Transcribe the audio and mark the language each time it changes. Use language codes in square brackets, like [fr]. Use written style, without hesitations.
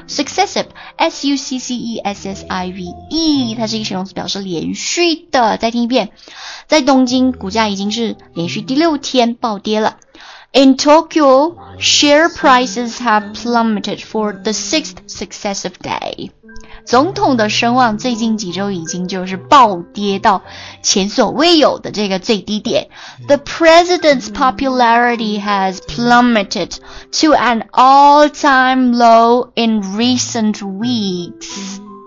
[zh] Successive, S-U-C-C-E-S-S-I-V-E, 它是一个形容词，表示连续的。再听一遍，在东京股价已经是连续第六天暴跌了。 [en] In Tokyo, share prices have plummeted for the sixth successive day. [zh] 总统的声望最近几周已经就是暴跌到前所未有的这个最低点。 [en] The president's popularity has plummeted to an all-time low in recent weeks.